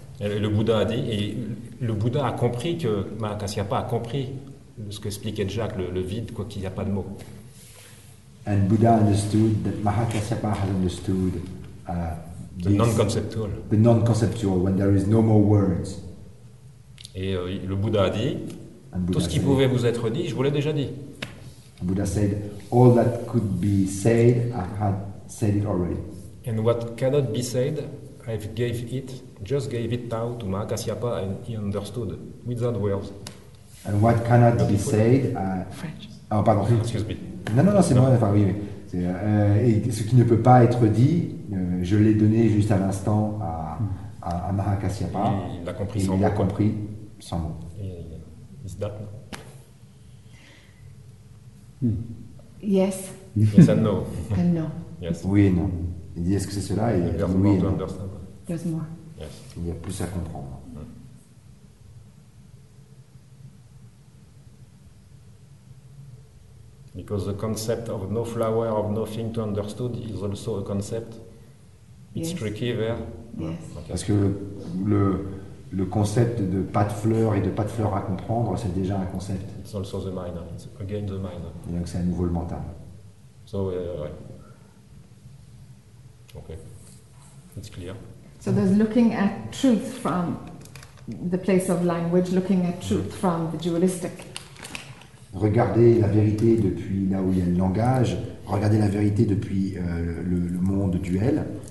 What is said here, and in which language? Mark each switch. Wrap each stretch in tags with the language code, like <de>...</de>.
<fr>Et le Bouddha a dit, et le Bouddha a compris que Maha Kassyapa a compris ce qu'expliquait Jacques, le vide, quoi qu'il n'y a pas de mots.</fr> <en>And Buddha understood that Maha Kassyapa had understood the non-conceptual, when there is no more words. Et le Bouddha a dit, tout ce qui pouvait vous être dit, je vous l'ai déjà dit. The Buddha said, all that could be said, I had said it already. And what cannot be said, I've gave it now to Maha Kassyapa, and he understood without words. And what cannot be said, French. Oh, pardon. Excuse me.</en> <fr>Non, c'est moi. Enfin, oui. Et ce qui ne peut pas être dit, je l'ai donné juste à l'instant à Maha Kassyapa. Il a compris sans mots. Il a compris sans mots.</fr> <en>Is that? Yes. Yes and no. And no. Yes.</en> <fr>Oui et non. Il dit, est-ce que c'est cela? Et</fr> <en>there's</en> <fr>oui,</fr> <en>to understand. There's more. Yes.</en> <fr>Il y a plus à comprendre.</fr> <en>Because the concept of no flower, of nothing to understand, is also a concept. It's yes. Tricky there. Yes. Okay.</en> <fr>Parce que le concept de pas de fleurs et de pas de fleurs à comprendre, c'est déjà un concept.</fr> <en>It's also the mind. It's again the mind.</en> <fr>Et donc c'est à nouveau le mental.</fr> <en>So, right. Okay. It's clear. So there's looking at truth from the place of language, looking at truth from the dualistic.</en> <fr>Regarder la vérité depuis là où il y a le langage, regarder la vérité depuis le monde duel.</fr>